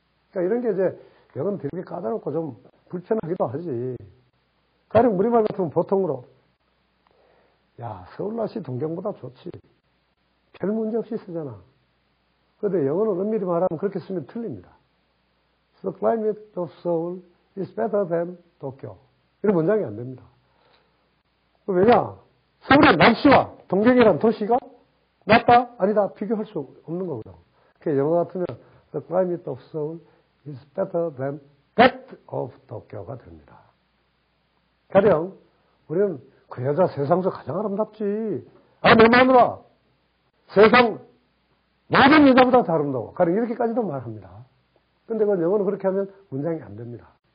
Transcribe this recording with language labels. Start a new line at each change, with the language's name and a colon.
Korean: 그러니까 이런 게 이제 영어는 되게 까다롭고 좀 불편하기도 하지. 가령 우리말 같으면 보통으로 야 서울날씨 동경보다 좋지. 별 문제 없이 쓰잖아. 그런데 영어는 엄밀히 말하면 그렇게 쓰면 틀립니다.
English: The climate of Seoul is better than Tokyo.
Korean: 이런 문장이 안 됩니다. 왜냐? 서울의 날씨와 동경이란 도시가 낫다? 아니다? 비교할 수 없는 거거든. 그러니까 영어 같으면
English: The climate of Seoul is better than that of Tokyo가
Korean: 됩니다. 가령 우리는 그 여자 세상에서 가장 아름답지. 아, 내 마누라! 세상 모든 여자보다 더 아름다워. 가령 이렇게까지도 말합니다. 근데 그건 영어는 그렇게 하면 문장이 안 됩니다.